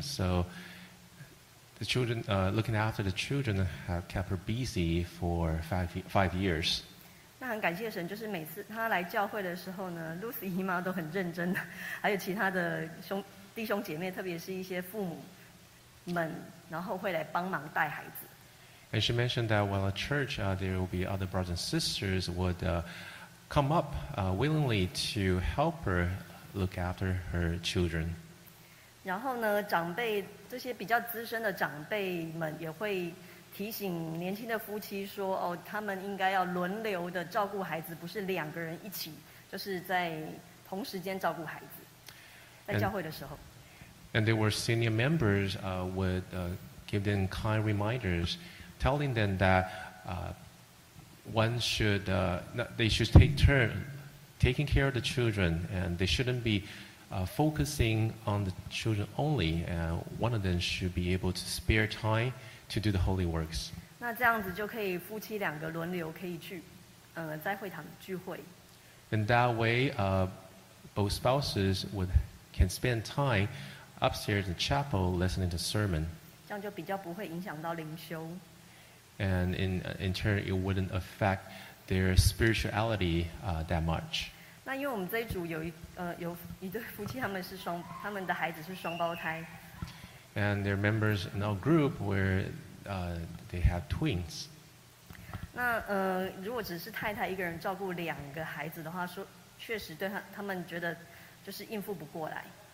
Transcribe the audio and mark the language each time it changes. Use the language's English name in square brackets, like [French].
[English] So the children looking after the children have kept her busy for five years. [Chinese] 那很感谢神，就是每次他来教会的时候呢 ，Lucy 姨妈都很认真，还有其他的弟兄姐妹，特别是一些父母们。然后会来帮忙带孩子。 [English] And she mentioned that while at church, there will be other brothers and sisters would come up willingly to help her look after her children. [Chinese] 然后呢，长辈这些比较资深的长辈们也会提醒年轻的夫妻说，哦，他们应该要轮流的照顾孩子，不是两个人一起，就是在同时间照顾孩子，在教会的时候。 [English] And there were senior members would give them kind reminders, telling them that they should take turn taking care of the children, and they shouldn't be focusing on the children only. One of them should be able to spare time to do the holy works. [Chinese] 那这样子就可以夫妻两个轮流可以去，在会堂聚会。 [English] In that way, both spouses can spend time upstairs in the chapel listening to sermon. [Chinese] 这样就比较不会影响到灵修。 [English] And in turn, it wouldn't affect their spirituality that much. [Chinese] 那因为我们这一组有一对夫妻，他们的孩子是双胞胎。 [English] And their members in our group where they have twins. [Chinese] 那如果只是太太一个人照顾两个孩子的话，说确实对他们觉得就是应付不过来。